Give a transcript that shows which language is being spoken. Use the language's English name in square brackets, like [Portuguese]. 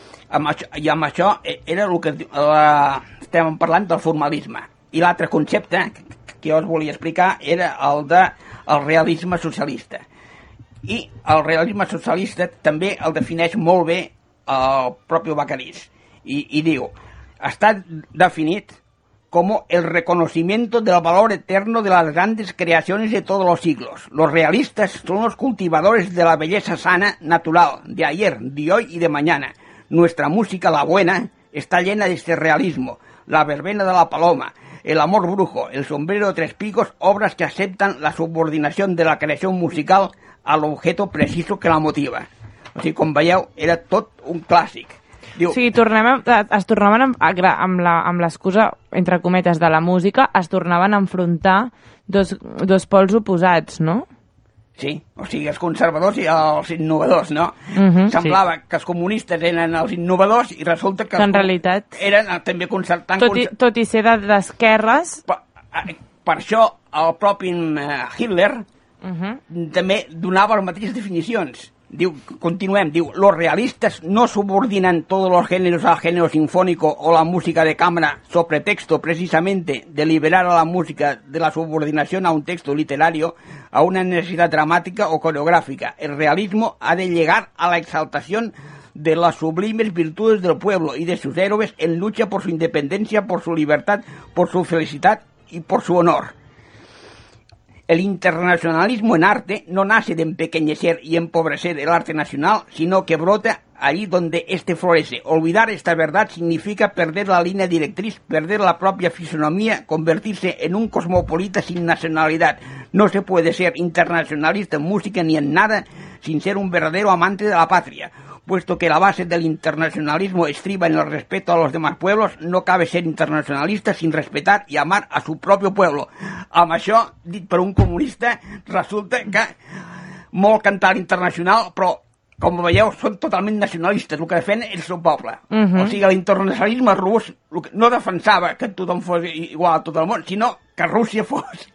[Catalan] Amb això era el que estem parlant del formalisme. I l'altre concepte que jo us volia explicar era el de el realisme socialista. I el realisme socialista també el defineix molt bé el propi Bacarís. [Spanish] Y digo, está definido como el reconocimiento del valor eterno de las grandes creaciones de todos los siglos. Los realistas son los cultivadores de la belleza sana, natural, de ayer, de hoy y de mañana. Nuestra música, la buena, está llena de este realismo. La verbena de la paloma, el amor brujo, el sombrero de tres picos, obras que aceptan la subordinación de la creación musical al objeto preciso que la motiva. O sea, como [Catalan] veieu, [Spanish] era todo un clásico. [Catalan] Diu, o sigui, es tornaven amb l'excusa, entre cometes, de la música, es tornaven a enfrontar dos pols oposats, no? Sí, o sigui, els conservadors i els innovadors, no? Uh-huh, semblava sí. Que els comunistes eren els innovadors i resulta que en realitat eren també concertant... Tot i ser d'esquerres... Per això el propi Hitler també donava les mateixes definicions. Diu, continuem, diu, [Spanish] los realistas no subordinan todos los géneros al género sinfónico o la música de cámara, so pretexto precisamente de liberar a la música de la subordinación a un texto literario, a una necesidad dramática o coreográfica. El realismo ha de llegar a la exaltación de las sublimes virtudes del pueblo y de sus héroes en lucha por su independencia, por su libertad, por su felicidad y por su honor. El internacionalismo en arte no nace de empequeñecer y empobrecer el arte nacional, sino que brota allí donde éste florece. Olvidar esta verdad significa perder la línea directriz, perder la propia fisonomía, convertirse en un cosmopolita sin nacionalidad. No se puede ser internacionalista en música ni en nada sin ser un verdadero amante de la patria. Puesto que la base del internacionalismo estriba en el respeto a los demás pueblos, no cabe ser internacionalista sin respetar y amar a su propio pueblo. [Catalan] Amb això, dit per un comunista, resulta que molt cantar internacional, però, com veieu, són totalment nacionalistes. El que defen és el seu poble. Uh-huh. O sigui, l'internacionalisme rus no defensava que tothom fos igual a tot el món, sinó que Rússia fos...